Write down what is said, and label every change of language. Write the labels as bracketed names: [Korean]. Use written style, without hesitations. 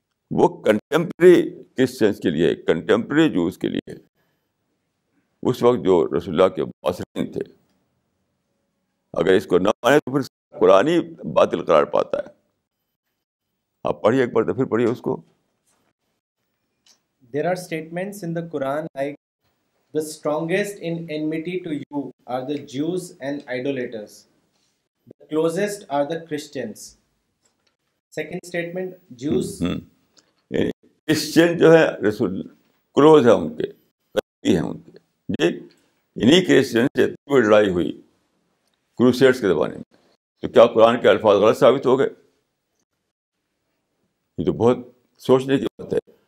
[Urdu] وہ contemporary Christians کے لیے, کنٹمپری جوز کے لیے, اس وقت جو رسول اللہ کے باسرین تھے, اگر اس کو نہ مانے تو پھر قرآن ہی باطل قرار پاتا ہے. آپ پڑھیے ایک بار, تو پھر پڑھیے اس کو. [English] There are statements in the Quran like the strongest in enmity to you are the Jews and idolaters, the closest are the Christians. Second statement, Jews [Urdu] Christian جو ہے رسول کلوز ہے ان کے, قریبی ہیں ان کے. جی, انہیں کرسچن سے اتنی بڑی لڑائی ہوئی کروسیڈز کے زمانے میں, تو کیا قرآن کے الفاظ غلط ثابت ہو گئے؟ یہ تو بہت سوچنے کی بات ہے.